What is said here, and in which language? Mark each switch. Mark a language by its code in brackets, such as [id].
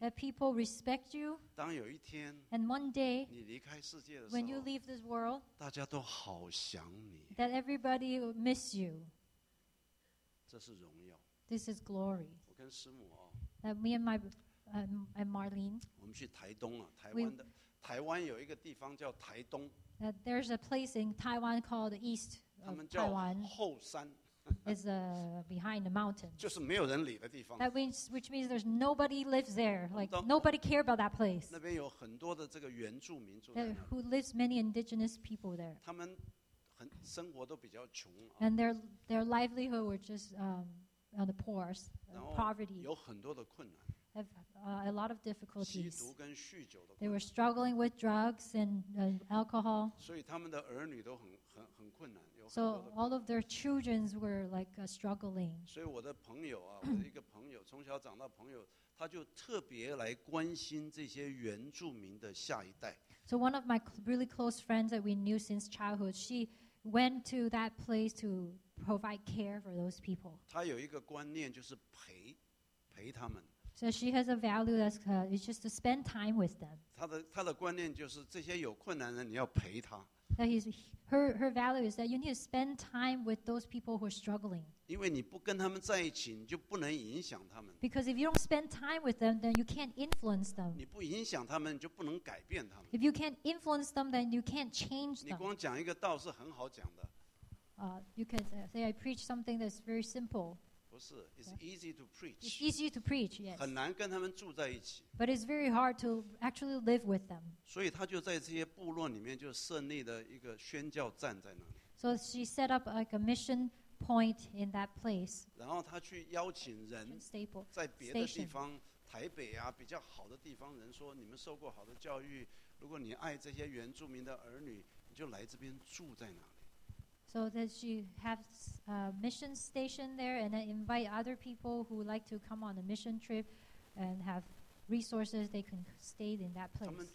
[en] that people respect you. [zh] 当有一天, [en] and one day, [zh] 你离开世界的时候, [en] when you leave this world, [zh] 大家都好想你, [en] that everybody will miss you. [zh] 这是荣耀, [en] this is glory. [zh] 我跟师母哦, [en] that me and my and Marlene, [zh] 我们去台东啊, 台湾的, we, 台湾有一个地方叫台东, [en] that there's a place in Taiwan called the east of Taiwan. [zh] 他们叫后山, [en] it's behind the mountain. [zh] 就是没有人理的地方, [en] that means, which means there's nobody lives there. Like, nobody care about that place. [zh] 那边有很多的这个原住民住在那, that, [en] who lives many indigenous people there. [zh] 他们生活都比较穷, [en] and their livelihood were just on the poor, poverty. [zh] 有很多的困难, [en] have a lot of difficulties. [zh] 吸毒跟酗酒的困难, [en] they were struggling with drugs and alcohol. [zh] 所以他们的儿女都很困难, [en] so all of their children were like struggling. [zh] 所以我的朋友啊, 我的一个朋友, 从小长大朋友, 他就特别来关心这些原住民的下一代。 [en] So one of my really close friends that we knew since childhood, she went to that place to provide care for those people. [zh] 他有一个观念就是陪他们。 [en] So she has a value that's it's just to spend time with them. [zh] 他的观念就是这些有困难的人你要陪他。 [en] that he's, her value is that you need to spend time with those people who are struggling. [zh] 因为你不跟他们在一起，你就不能影响他们。 [en] Because if you don't spend time with them, then you can't influence them. [zh] 你不影响他们，就不能改变他们。 [en] If you can't influence them, then you can't change them. [zh] 你光讲一个道是很好讲的。 [en] You can say I preach something that's very simple. [zh] 不是 [en] ，it's easy to preach. It's easy to preach, yes. [zh] 很难跟他们住在一起。 [en] But it's very hard to actually live with them. [zh] 所以他就在这些部落里面就设立的一个宣教站在那里。 [en] So she set up like a mission point in that place. [zh] 然后他去邀请人，在别的地方，台北啊比较好的地方，人说你们受过好的教育，如果你爱这些原住民的儿女，你就来这边住在那里。 [en] So that she has a mission station there and then invite other people who like to come on a mission trip and have resources, they can stay in that place.